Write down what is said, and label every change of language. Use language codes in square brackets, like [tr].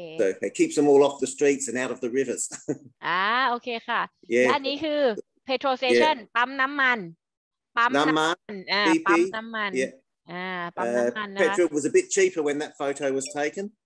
[en] so it keeps them all off the streets and out of the rivers [th] โอเคค่ะและอันนี้คือ petrol station ปั๊มน้ำมันปั๊ม น้ำมัน ปั๊ มน้ำมันปั๊มน้ำมันนะ [en] petrol was a bit cheaper when that photo was taken